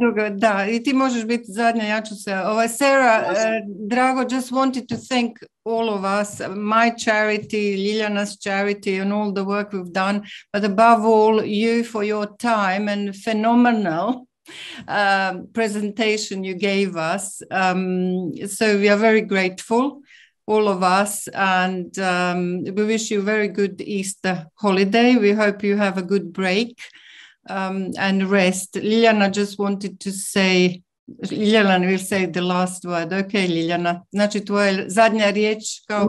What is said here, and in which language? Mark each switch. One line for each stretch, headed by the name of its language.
Croatian: Da, i ti možeš biti zadnja, ja ću se...
English: Sera, drago, just wanted to thank all of us, my charity, Liljana's charity, and all the work we've done, but above all, you for your time and phenomenal presentation you gave us. So we are very grateful, all of us, and we wish you a very good Easter holiday. We hope you have a good break and rest. Liljana just wanted to say, Liljana will say the last word.
Croatian: Ok, Liljana, znači tvoja zadnja riječ kao